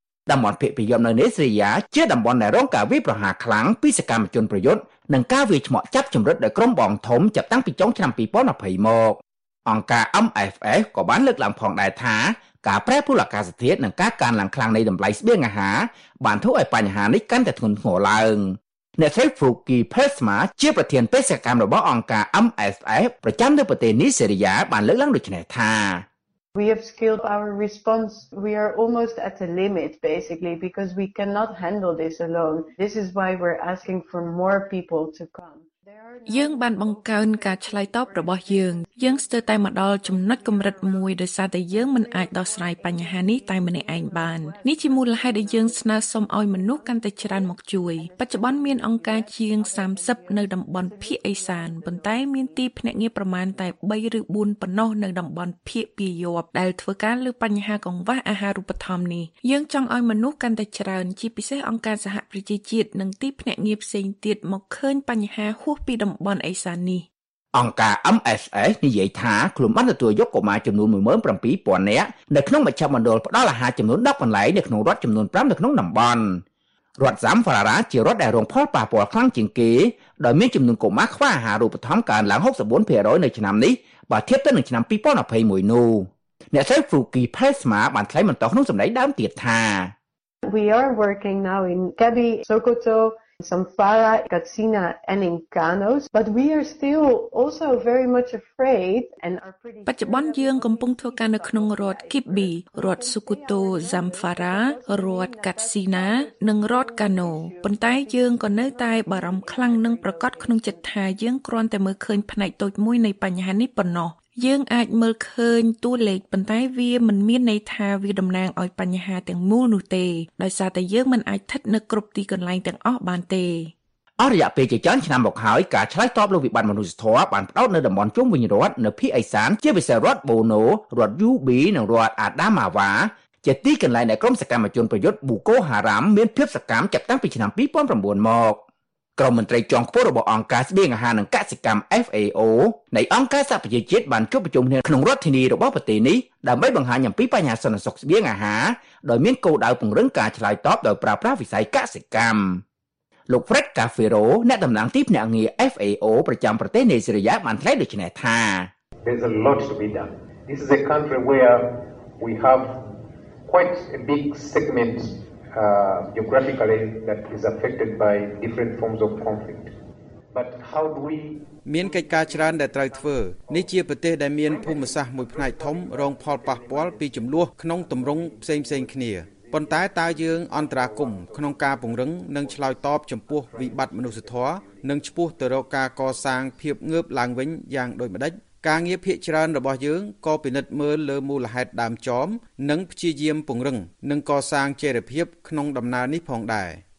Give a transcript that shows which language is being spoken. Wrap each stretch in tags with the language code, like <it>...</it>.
<km>តំបន់ភាគពាយព្យនៅនីជេរីយ៉ាជាតំបន់ដែលរងការវាយប្រហារខ្លាំងពីសកម្មជនប្រយុទ្ធនិងការវាយឆ្មក់ចាប់ជំរិតដោយក្រុមបងធំចាប់តាំងពីចុងឆ្នាំ2020មកអង្គការ MFS ក៏បានលើកឡើងផងដែរថាការប្រែប្រួលអាកាសធាតុនិងការកើនឡើងខ្លាំងនៃតម្លៃស្បៀងអាហារបានធ្វើឲ្យបញ្ហានេះកាន់តែធ្ងន់ធ្ងរឡើងអ្នកស្រី Fruki Pesma ជាប្រធានបេសកកម្មរបស់អង្គការ MSF ប្រចាំនៅប្រទេសនីជេរីយ៉ាបានលើកឡើងដូចនេះថា</km> <en>We have scaled our response. We are almost at a limit basically because we cannot handle this alone. This is why we're asking for more people to come.</en> <km>យើងបានបង្កើនការឆ្លើយតបរបស់យើងយើងស្ទើរតែមកដល់ចំណុចកម្រិតមួយដោយសារតែយើងមិនអាចដោះស្រាយបញ្ហានេះតែម្នាក់ឯងបាននេះជាមូលហេតុដែលយើងស្នើសុំឲ្យមនុស្សកាន់តែច្រើនមកជួយបច្ចុប្បន្នមានអង្គការជាង 30នៅតំបន់ភាគអេសានប៉ុន្តែមានទីភ្នាក់ងារប្រមាណតែ3ឬ4ប៉ុណ្ណោះនៅតំបន់ភាគពាយព្យដែលធ្វើការលើបញ្ហាកង្វះអាហារូបត្ថម្ភនេះយើងចង់ឲ្យមនុស្សកាន់តែច្រើនជាពិសេសអង្គការសហប្រជាជាតិនិងទីភ្នាក់ងារផ្សេងទៀតមកឃើញបញ្ហាហួសពីតំបន់អេសាននេះ អង្គការ MSF និយាយថាខ្លួនបានទទួលយកកុមារចំនួន 17,000 នាក់នៅក្នុងមជ្ឈមណ្ឌលផ្ដល់អាហារចំនួន10កន្លែងនៅក្នុងរដ្ឋចំនួន5នៅក្នុងតំបន់រដ្ឋសាំហ្វារ៉ាជារដ្ឋដែលរងផលប៉ះពាល់ខ្លាំងជាងគេដោយមានចំនួនកុមារខ្វះអាហារូបត្ថម្ភកើនឡើង 64% នៅឆ្នាំនេះបើធៀបទៅនឹងឆ្នាំ2021នោះអ្នកស្រី Fruki Pesma បានថ្លែងបន្តក្នុងសម្ដីដើមទៀតថា</km> <en>We are working now in Kebbi, Sokoto,Zamfara, Katsina and Inkanos but we are still also very much afraid and are pretty</en> <km>បច្ចុប្បន្នយើងកំពុងធ្វើការនៅក្នុងរដ្ឋ Kibbi រដ្ឋ Sokoto Zamfara រដ្ឋ Katsina និងរដ្ឋ Kano ប៉ុន្តែយើងក៏នៅតែបារម្ភខ្លាំងនឹងប្រកាសក្នុងចិត្តថាយើងគ្រាន់តែមើលឃើញផ្នែកតូចមួយនៃបញ្ហានេះប៉ុណ្ណោះយើងអាចមើលឃើញតួលេខប៉ុន្តែវាមិនមានន័យថាវាតំណាងឲ្យបញ្ហាទាំងមូលនោះទេដោយសារតែយើងមិនអាចឋិតនៅគ្រប់ទីកន្លែងទាំងអស់បានទេ អរិយាពេលជាច្រើនឆ្នាំមកហើយការឆ្លើយតបលើវិបត្តិមនុស្សធម៌បានផ្ដោតនៅតំបន់ជុំវិញរដ្ឋនៅភាគអេសានជាពិសេសរដ្ឋបូណូរដ្ឋយូប៊ីនិងរដ្ឋអាដាម៉ាវ៉ាជាទីកន្លែងដែលក្រុមសកម្មជនប្រយុទ្ធបូកូហារ៉ាមមានភាពសកម្មចាប់តាំងពីឆ្នាំ2009មកក្រុមមន្ត្រីចងខ្ពស់របស់អង្គការស្បៀងអាហារនិងកសិកម្ម FAO នៃអង្គការសហប្រជាជាតិបានជួបប្រជុំគ្នាក្នុងរដ្ឋធានីរបស់ប្រទេសនេះដើម្បីបង្ហាញអំពីបញ្ហាសន្តិសុខស្បៀងអាហារដោយមានគោលដៅពង្រឹងការឆ្លើយតបដោយប្រើប្រាស់វិស័យកសិកម្ម លោក Fred Cafiero អ្នកតំណាងទីភ្នាក់ងារ FAO ប្រចាំប្រទេសនីជេរីយ៉ាបានថ្លែងដូចនេះថា</km> <en>There's a lot to be done. This is a country where we have quite a big segment geographically that is affected by different forms of conflict. But how do we</en> <km>មានកិច្ចការច្រើនដែលត្រូវធ្វើនេះជាប្រទេសដែលមានភូមិសាស្ត្រមួយផ្នែកធំរងផលប៉ះពាល់ពីចំនួនក្នុងទម្រង់ផ្សេងផ្សេងគ្នាប៉ុន្តែតើយើងអន្តរាគមក្នុងការពង្រឹងនិងឆ្លើយតបចំពោះវិបត្តិមនុស្សធម៌និងឈ្មោះទៅរកការកសាងភាពងើបឡើងវិញយ៉ាងដូចម្តេចការងារភាគច្រើនរបស់យើងក៏ពិនិត្យមើលលើមូលហេតុដើមចមនិងព្យាយាមពង្រឹងនិងកសាងចេរភាពក្នុងដំណើរនេះផងដែរ</km>